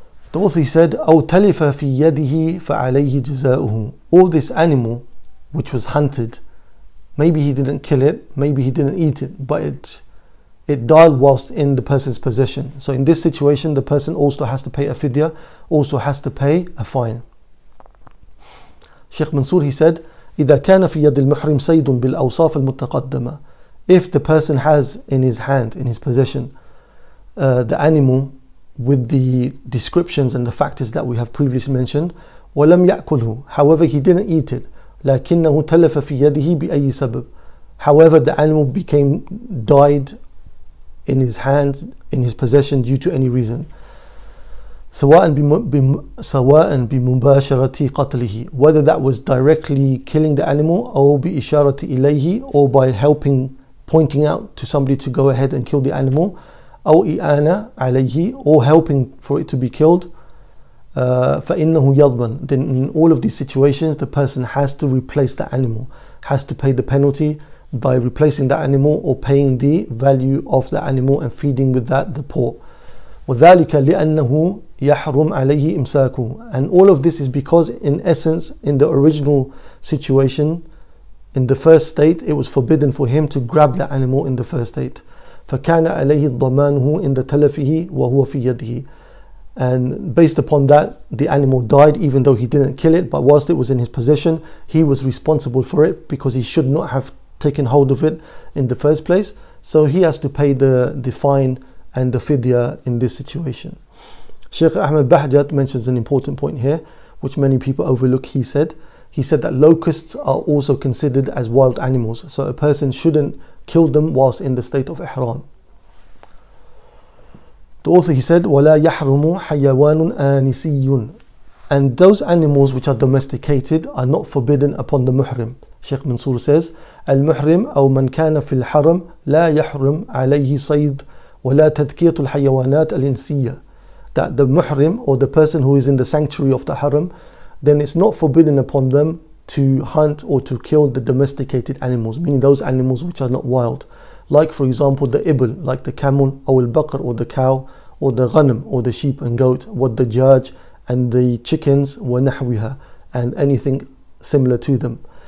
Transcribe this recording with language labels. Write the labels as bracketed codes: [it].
[en] The author, he said, [ar] أَوْ تَلِفَ فِي يَدِهِ فَعَلَيْهِ جَزَاؤُهُ. [en] All this animal which was hunted, maybe he didn't kill it, maybe he didn't eat it, but it died whilst in the person's possession. So in this situation, the person also has to pay a fidya, also has to pay a fine. Sheikh Mansour, he said, [ar] إذا كان في يد المحرم صيد بالأوصاف المتقدمة. [en] If the person has in his hand, in his possession, the animal with the descriptions and the factors that we have previously mentioned, [ar] ولم يأكله. [en] However, he didn't eat it. [ar] لكنه تلف في يده بأي سبب. [en] However, the animal became died in his hand, in his possession, due to any reason. [ar] سواءً بمباشرة قتله. [en] Whether that was directly killing the animal, [ar] أو بإشارة إليه, [en] or by helping, pointing out to somebody to go ahead and kill the animal, [ar] أو إعانة عليه, [en] or helping for it to be killed, [ar] فإنه يضمن. [en] Then in all of these situations, the person has to replace the animal, has to pay the penalty by replacing the animal or paying the value of the animal and feeding with that the poor. [ar] وذلك لأنه يحرم عليه إمساكه. [en] And all of this is because, in essence, in the original situation, in the first state, it was forbidden for him to grab the animal in the first state. [ar] فَكَانَ عَلَيْهِ ضَمَانُهُ إِنْدَ تَلَفِهِ وَهُوَ فِي يَدِهِ. [en] And based upon that, the animal died, even though he didn't kill it, but whilst it was in his possession, he was responsible for it because he should not have taken hold of it in the first place. So he has to pay the fine and the fidya in this situation. Sheikh Ahmed Bahjat mentions an important point here, which many people overlook. He said that locusts are also considered as wild animals, so a person shouldn't kill them whilst in the state of ihram. The author, he said, [ar] وَلَا يَحْرُمُ حَيَّوَانٌ آنِسِيٌّ. [en] And those animals which are domesticated are not forbidden upon the muhrim. Sheikh Mansour says, [ar] المحرم أو من كان في الحرم لا يحرم عليه صيد ولا تذكية الحيوانات الإنسية. [en] That the muhrim, or the person who is in the sanctuary of the haram, then it's not forbidden upon them to hunt or to kill the domesticated animals, meaning those animals which are not wild. Like, for example, the ibl, like the camel, or the baqr, or the cow, or the ghanim, or the sheep and goat, what the dajjaj, and the chickens, [ar] وَنَحْوِهَا, [en] and anything similar to them.